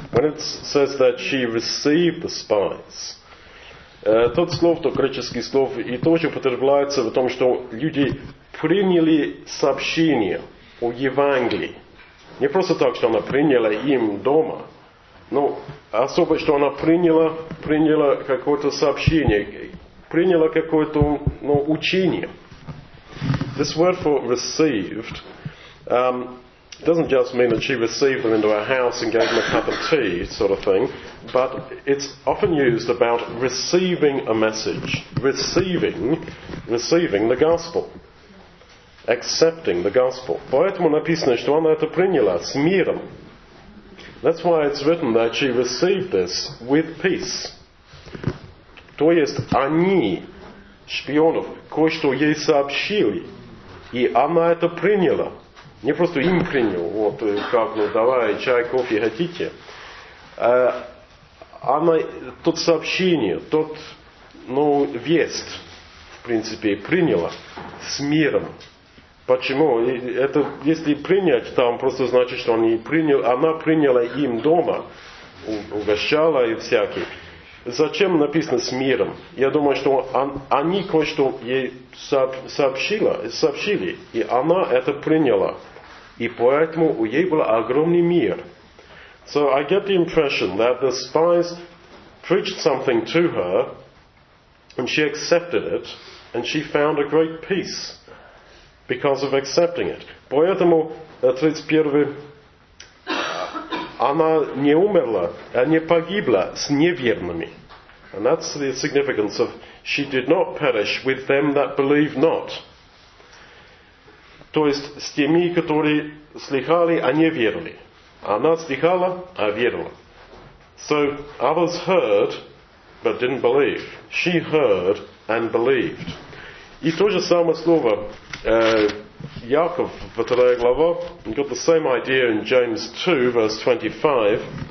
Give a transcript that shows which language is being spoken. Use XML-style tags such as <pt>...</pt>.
<en>When it says that she received the spies.</en> <ru>Тот слов, то греческий слов, и тоже употребляется в том, что люди приняли сообщение о Евангелии. Не просто так, что она приняла им дома, но особо, что она приняла какое-то сообщение, приняла какое-то учение.</ru> <en>This word for received doesn't just mean that she received them into her house and gave them a cup of tea, sort of thing, but it's often used about receiving a message, receiving the gospel, accepting the gospel.</en> <ru>Поэтому написано, что она это приняла с миром.</ru> <en>That's why it's written that she received this with peace.</en> <ru>То есть они, шпионов, кое-что ей сообщили, и она это приняла. Не просто им принял, вот как, давай, чай, кофе, хотите. Она, тот сообщение, тот, весть, в принципе, приняла с миром. Почему? Это, если принять, там просто значит, что она приняла им дома, угощала и всякие. Зачем написано с миром? Я думаю, что они кое-что ей сообщили, и она это приняла. И поэтому у ей был огромный мир.</ru> <en>So I get the impression that the spies preached something to her, and she accepted it, and she found a great peace because of accepting it.</en> <ru>Поэтому, 31, она не умерла, а не погибла с неверными.</ru> <en>And that's the significance of she did not perish with them that believe not.</en> <ru>То есть с теми, которые слыхали, а не верили. Она слыхала, а верила.</ru> <en>So others heard, but didn't believe. She heard and believed.</en> <ru>И то же самое слово Яков, 2 глава,</ru> <en>got the same idea in James 2, verse 25.</en>